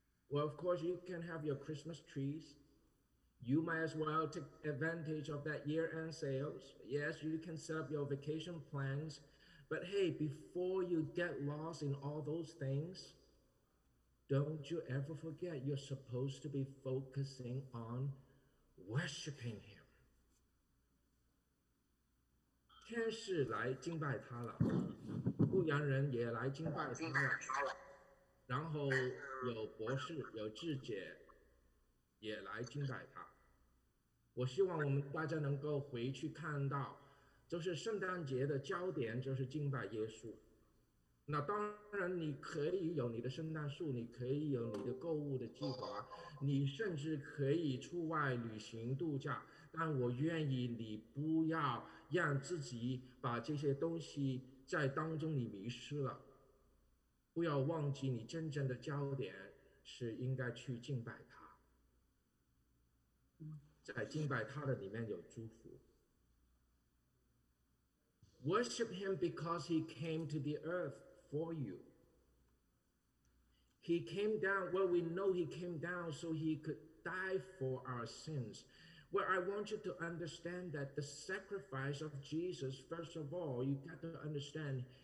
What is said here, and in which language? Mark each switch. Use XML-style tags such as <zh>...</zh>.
<en>Well, of course, you can have your Christmas trees. You might as well take advantage of that year-end sales. Yes, you can set up your vacation plans. But hey, before you get lost in all those things, don't you ever forget you're supposed to be focusing on worshiping Him.</en> <zh>天使来敬拜他了，牧羊人也来敬拜他了，然后有博士、有智姐也来敬拜他。我希望我们大家能够回去看到。就是圣诞节的焦点就是敬拜耶稣。那当然，你可以有你的圣诞树，你可以有你的购物的计划，你甚至可以出外旅行度假。但我愿意你不要让自己把这些东西在当中你迷失了，不要忘记你真正的焦点是应该去敬拜他，在敬拜他的里面有祝福。</zh> <en>Worship him because he came to the earth for you. He came down, well, we know he came down so he could die for our sins. Well, I want you to understand that the sacrifice of Jesus, first of all, you got to understand</en>